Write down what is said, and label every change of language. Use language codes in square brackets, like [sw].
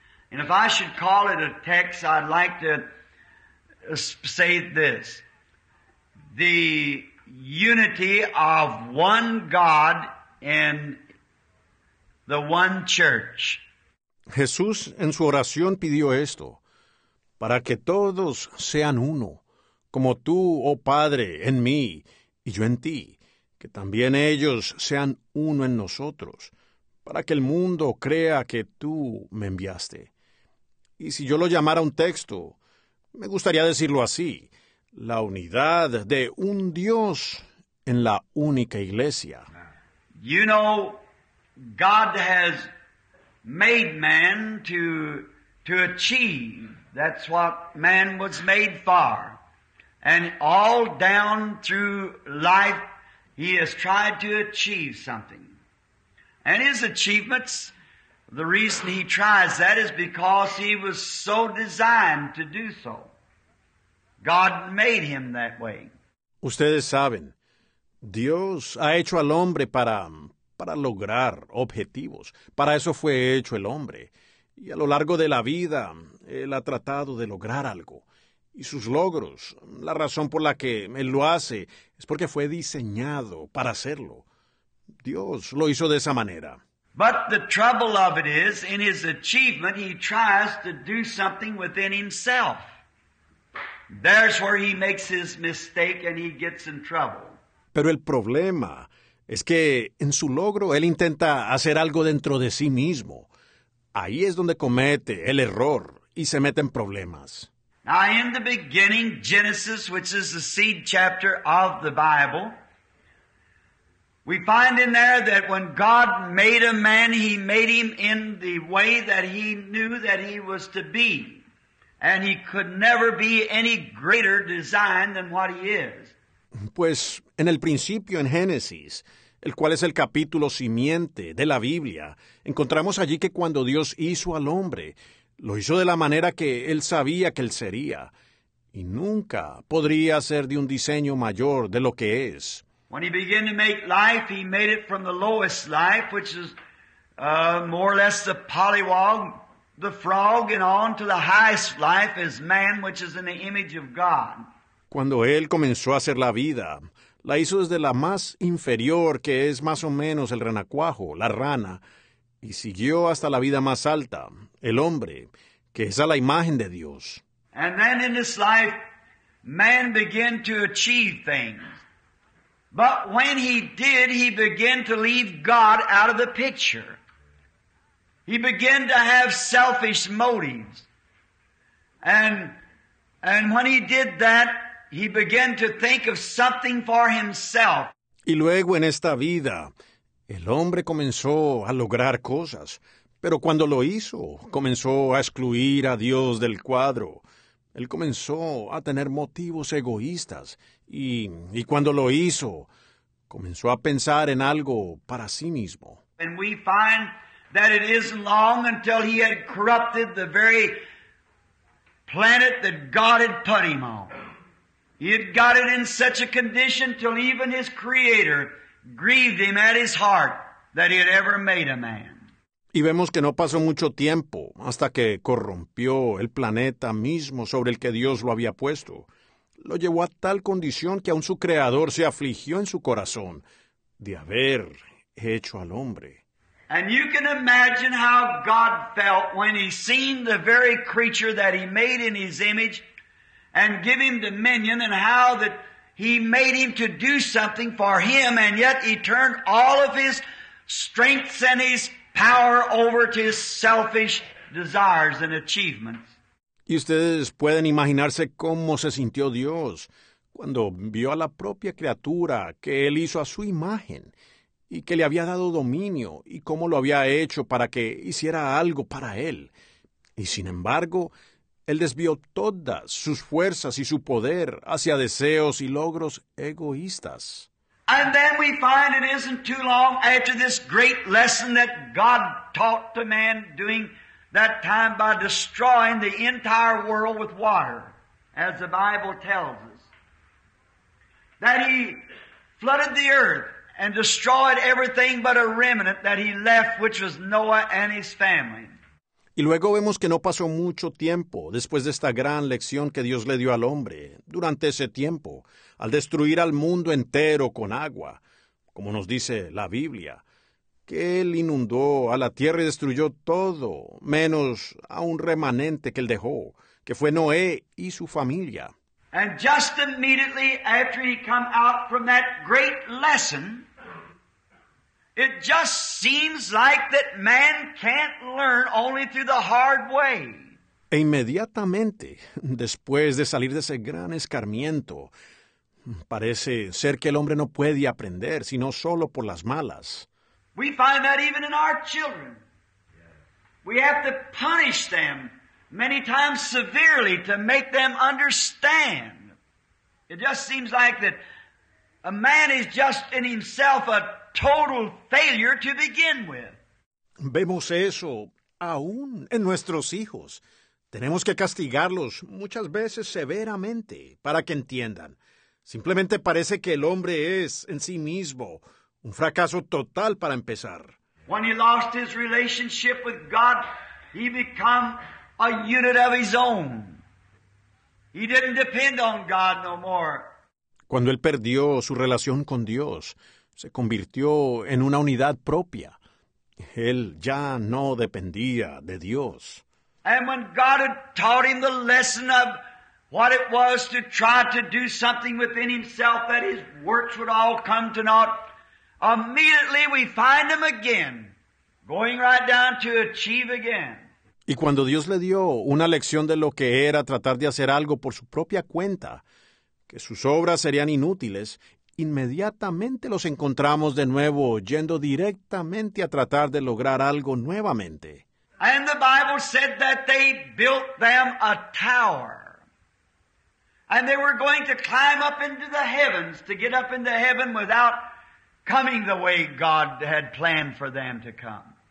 [en] And if I should call it a text, I'd like to say this. The unity of one God in the one church. [es] Jesús en su oración pidió esto, para que todos sean uno, como tú, oh Padre, en mí y yo en ti, que también ellos sean uno en nosotros, para que el mundo crea que tú me enviaste. Y si yo lo llamara un texto, me gustaría decirlo así. La unidad de un Dios en la única iglesia. [en] You know, God has made man to achieve. That's what man was made for. And all down through life, he has tried to achieve something. And his achievements, the reason he tries that is because he was so designed to do so. God made him that way. [es] Ustedes saben, Dios ha hecho al hombre para lograr objetivos. Para eso fue hecho el hombre. Y a lo largo de la vida, él ha tratado de lograr algo. Y sus logros, la razón por la que él lo hace, es porque fue diseñado para hacerlo. Dios lo hizo de esa manera. [en] But the trouble of it is, in his achievement, he tries to do something within himself. There's where he makes his mistake and he gets in trouble. [es] Pero el problema es que en su logro él intenta hacer algo dentro de sí mismo. Ahí es donde comete el error y se mete en problemas. [en] Now in the beginning, Genesis, which is the seed chapter of the Bible, we find in there that when God made a man, he made him in the way that he knew that he was to be. And he could never be any greater design than what he is. [es] Pues en el principio en Génesis, el cual es el capítulo simiente de la Biblia, encontramos allí que cuando Dios hizo al hombre, lo hizo de la manera que él sabía que él sería, y nunca podría ser de un diseño mayor de lo que es. [en] When he began to make life, he made it from the lowest life, which is more or less the polywog, the frog, and on to the highest life as man, which is in the image of God. [es] Cuando él comenzó a hacer la vida, la hizo desde la más inferior, que es más o menos el renacuajo, la rana, y siguió hasta la vida más alta, el hombre, que es a la imagen de Dios. [en] And then in this life, man began to achieve things. But when he did, he began to leave God out of the picture. He began to have selfish motives. And when he did that, he began to think of something for himself. [es] Y luego en esta vida, el hombre comenzó a lograr cosas, pero cuando lo hizo, comenzó a excluir a Dios del cuadro. Él comenzó a tener motivos egoístas, y cuando lo hizo, comenzó a pensar en algo para sí mismo. [en] And we find that it isn't long until he had corrupted the very planet that God had put him on. He had got it in such a condition till even his creator grieved him at his heart that he had ever made a man. [es] Y vemos que no pasó mucho tiempo hasta que corrompió el planeta mismo sobre el que Dios lo había puesto. Lo llevó a tal condición que aun su creador se afligió en su corazón de haber hecho al hombre. [en] And you can imagine how God felt when he seen the very creature that he made in his image and give him dominion, and how that he made him to do something for him, and yet he turned all of his strengths and his power over to his selfish desires and achievements. [es] Y ustedes pueden imaginarse cómo se sintió Dios cuando vio a la propia criatura que él hizo a su imagen y que le había dado dominio y cómo lo había hecho para que hiciera algo para él. Y sin embargo, él desvió todas sus fuerzas y su poder hacia deseos y logros egoístas. [en] And then we find it isn't too long after this great lesson that God taught to man during that time by destroying the entire world with water, as the Bible tells us, that he flooded the earth and destroyed everything but a remnant that he left, which was Noah and his family. [es] Y luego vemos que no pasó mucho tiempo después de esta gran lección que Dios le dio al hombre, durante ese tiempo, al destruir al mundo entero con agua, como nos dice la Biblia, que él inundó a la tierra y destruyó todo, menos a un remanente que él dejó, que fue Noé y su familia. [en] And just immediately after he come out from that great lesson, it just seems like that man can't learn only through the hard way. [es] E inmediatamente, después de salir de ese gran escarmiento, parece ser que el hombre no puede aprender, sino solo por las malas. [en] We find that even in our children. We have to punish them many times severely to make them understand. It just seems like that a man is just in himself a total failure to begin with. [es] Vemos eso aún en nuestros hijos. Tenemos que castigarlos muchas veces severamente para que entiendan. Simplemente parece que el hombre es en sí mismo un fracaso total para empezar. [en] When he lost his relationship with God, he became a unit of his own. He didn't depend on God no more. [es] Cuando él perdió su relación con Dios, se convirtió en una unidad propia. Él ya no dependía de Dios. [en] And when God had taught him the lesson of what it was to try to do something within himself, that his works would all come to naught, immediately we find him again Going right down to achieve again. [es] Y cuando Dios le dio una lección de lo que era tratar de hacer algo por su propia cuenta, que sus obras serían inútiles, inmediatamente los encontramos de nuevo yendo directamente a tratar de lograr algo nuevamente. [en] And the Bible said that they built them a tower. And they were going to climb up into the heavens to get up into heaven without coming the way God had planned for them to come.